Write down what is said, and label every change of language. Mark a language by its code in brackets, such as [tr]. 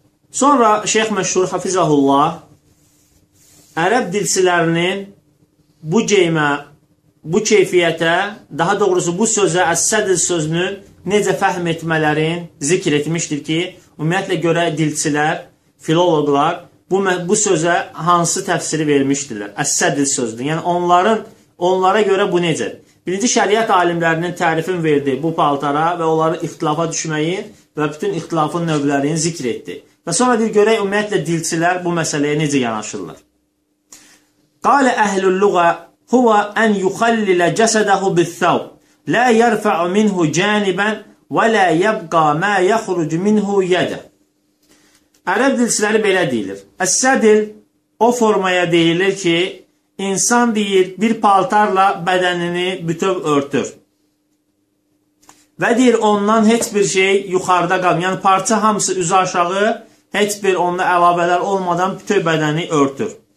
[az] Sonra Şeyx Məşhur Hafizahullah Ərəb dilçilərinin bu ceymə, bu keyfiyyətə, daha doğrusu bu sözə, əs-sədr sözünü necə fəhm etmələrin zikr etmişdir ki, ümumiyyətlə görə dilçilər, filologlar bu sözə hansı təfsiri vermişdirlər, əs-sədr sözünü. Yəni onlara görə bu necədir? Birinci şəriət alimlərinin tərifin verdi bu paltara və onları ixtilafa düşməyi və bütün ixtilafın növlərini zikr etdi. Və sonra deyir, görək ümumiyyətlə dilçilər bu məsələyə necə yanaşırlar. [ar] قال أهل اللغة هو أن يخلل جسده بالثوب لا يرفع منه جانبا ولا يبقى ما يخرج منه يده. [az] Ərəb dilçiləri belə deyilir. Əs-sədr o formaya deyilir ki, insan deyir bir paltarla bədənini bütöv örtür. Və deyir ondan heç bir şey yuxarıda qalmır. Yəni parça hamısı üzə aşağı, heç bir onda əlavələr olmadan bütöv bədəni örtür.